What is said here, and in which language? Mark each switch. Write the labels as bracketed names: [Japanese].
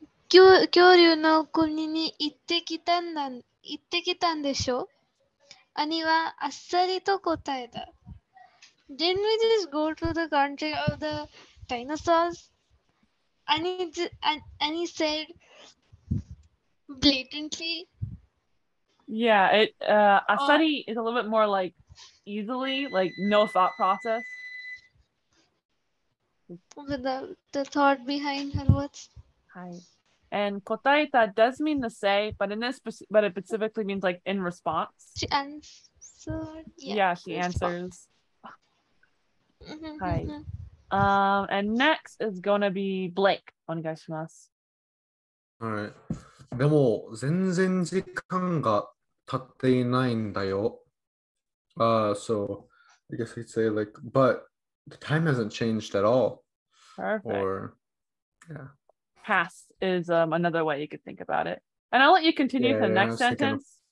[Japanese] 恐竜の国に行ってきたんでしょ? 兄はあっさりと答えた。 [English] Didn't we just go to the country of the dinosaurs? 兄 said blatantly. Yeah, あっさり is a little bit more like easily, like no thought process. The thought behind her words. Hi. And 答えた does mean to say, but it specifically means like in response. She answered. Yeah, yeah she answers. Hi. And next is gonna be Blake. [Japanese] お願いします。はい。でも全然時間が経っていないんだよ。 [English] So I guess I'd say like, but the time hasn't changed at all. Perfect. Or, yeah. Past is another way you could think about it. And I'll let you continue the next sentence.